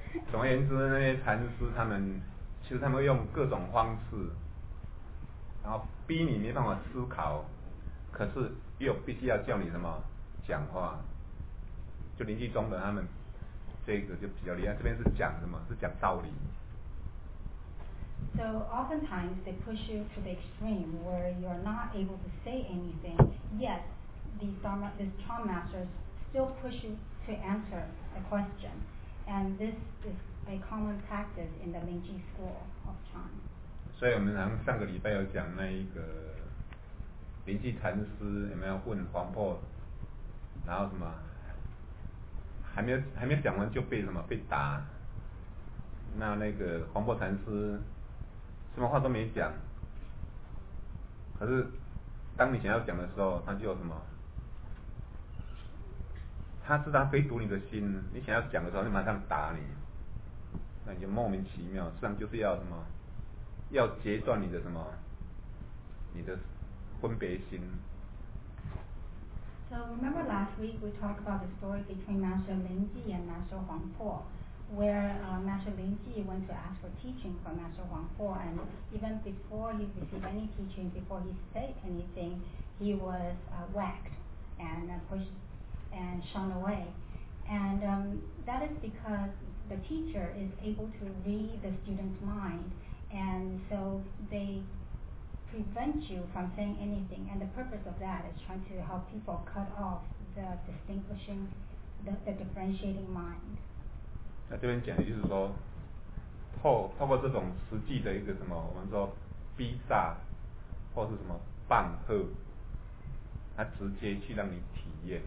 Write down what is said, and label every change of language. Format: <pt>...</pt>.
<zh>总而言之，那些禅师他们，其实他们用各种方式，然后逼你没办法思考，可是又必须要叫你什么讲话。就临济宗的他们这个就比较厉害，这边是讲什么？是讲道理。</zh> <en>So oftentimes they push you to the extreme where you are not able to say anything. Yet this Chan masters still push you to answer a question, and this is a common practice in the Linji school of Chan.</en> <zh>所以我们上个礼拜有讲那一个临济禅师有没有问黄婆，然后什么？还没讲完就被什么被打，那个黄檗禅师什么话都没讲，可是当你想要讲的时候，他就有什么，他知道非读你的心，你想要讲的时候，他马上打你，那你就莫名其妙，实际上就是要什么，要截断你的什么，你的分别心。</zh> <en>So remember last week we talked about the story between Master Ling Ji and Master Huang Po, where Master Ling Ji went to ask for teaching from Master Huang Po, and even before he received any teaching, before he said anything, he was whacked and pushed and shunned away. And that is because the teacher is able to read the student's mind, and so they prevent you from saying anything, and the purpose of that is trying to help people cut off the distinguishing, the differentiating mind.</en> <zh>那这边讲的就是说，透过这种实际的一个什么，我们说逼煞，或是什么棒喝，它直接去让你体验。</zh>